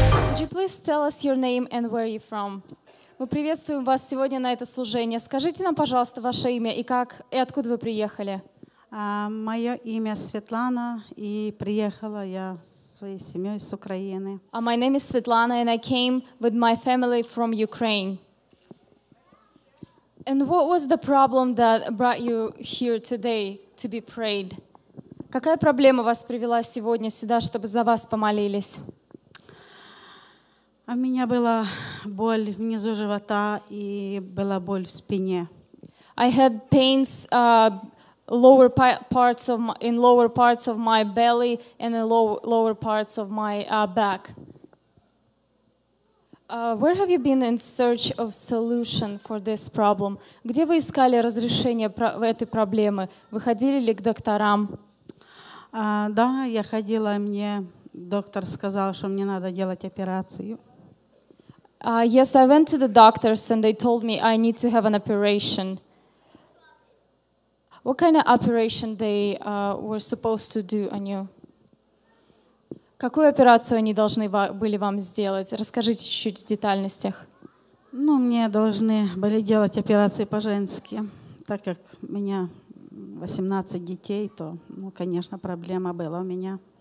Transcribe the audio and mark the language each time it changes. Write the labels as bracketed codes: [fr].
[en] Would you please tell us your name and where you're from? [ru] Мы приветствуем вас сегодня на это служение. Скажите нам, пожалуйста, ваше имя и как и откуда вы приехали? Мое имя Светлана, и приехала я со своей семьей с Украины. [en] My name is Svetlana, and I came with my family from Ukraine. And what was the problem that brought you here today to be prayed? [ru] Какая проблема вас привела сегодня сюда, чтобы за вас помолились? А у меня была боль внизу живота и была боль в спине. [en] I had pains in lower parts of my belly and in lower parts of my back. Where have you been in search of solution for this problem? [ru] Где вы искали разрешение этой проблемы? Вы ходили ли к докторам? Да, я ходила, мне доктор сказал, что мне надо делать операцию. [en] Yes, I went to the doctors and they told me I need to have an operation. What kind of operation they were supposed to do on you? [ru] Какую операцию они должны были вам сделать? Расскажите чуть-чуть в детальностях. Ну, мне должны были делать операцию по-женски. Так как у меня 18 детей, то, ну, конечно, проблема была у меня.